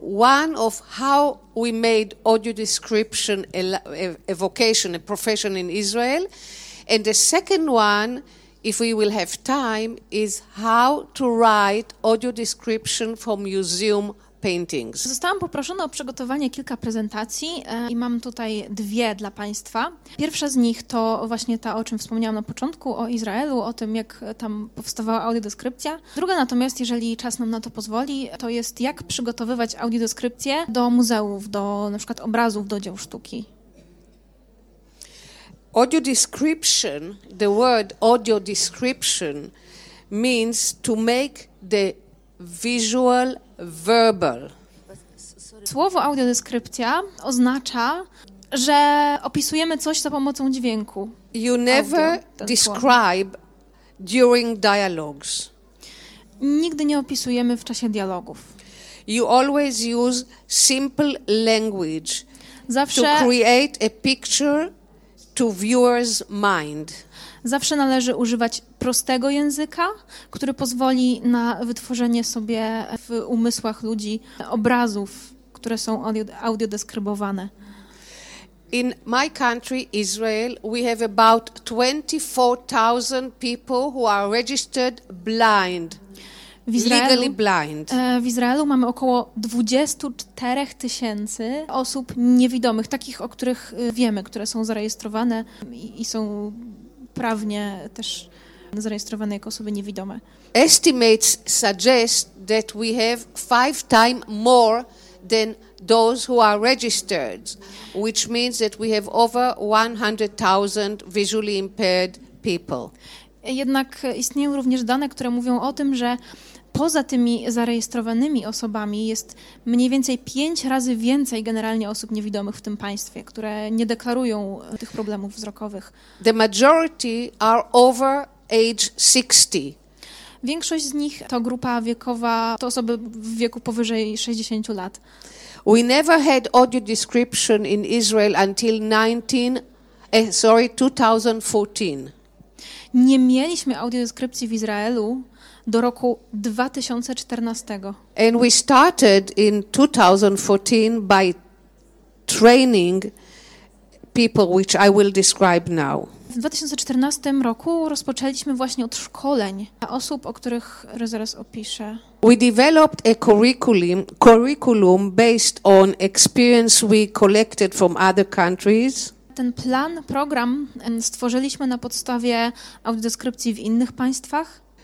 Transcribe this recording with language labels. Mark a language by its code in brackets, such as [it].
[en] One of how we made audio description a vocation, a profession in Israel. And the second one, if we will have time, is how to write audio description for museum paintings. [pl] Zostałam poproszona o przygotowanie kilka prezentacji i mam tutaj dwie dla Państwa. Pierwsza z nich to właśnie ta, o czym wspomniałam na początku, o Izraelu, o tym, jak tam powstawała audiodeskrypcja. Druga natomiast, jeżeli czas nam na to pozwoli, to jest jak przygotowywać audiodeskrypcję do muzeów, do na przykład obrazów, do dzieł sztuki. [en] Audio description, the word audio description means to make the visual verbal. [pl] Słowo audiodeskrypcja oznacza, że opisujemy coś za pomocą dźwięku. [en] You never describe during dialogues. [pl] Nigdy nie opisujemy w czasie dialogów. [en] You always use simple language. [pl] Zawsze [en] to create a picture to viewer's mind. [pl] Zawsze należy używać prostego języka, który pozwoli na wytworzenie sobie w umysłach ludzi obrazów, które są audiodeskrybowane. [en] In my country, Israel, we have about 24,000 people who are registered blind, legally blind. [pl] W Izraelu mamy około 24 tysięcy osób niewidomych, takich, o których wiemy, które są zarejestrowane i są prawnie też zarejestrowane jako osoby niewidome. [en] Estimates suggest that we have 5 times more than those who are registered, which means that we have over 100,000 visually impaired people. [pl] Jednak istnieją również dane, które mówią o tym, że poza tymi zarejestrowanymi osobami jest mniej więcej 5 razy więcej generalnie osób niewidomych w tym państwie, które nie deklarują tych problemów wzrokowych. [en] The majority are over age 60. [pl] Większość z nich to grupa wiekowa, to osoby w wieku powyżej 60 lat. [en] We never had audio description in Israel until 2014. [pl] Nie mieliśmy audiodeskrypcji w Izraelu do roku 2014. [en] And we started in 2014 by training people, which I will describe now. [pl] W 2014 roku rozpoczęliśmy właśnie od szkoleń osób, o których zaraz opiszę. [en] We developed a curriculum based on experience we collected from other countries. [pl] Ten plan, program stworzyliśmy na podstawie audiodeskrypcji w innych państwach.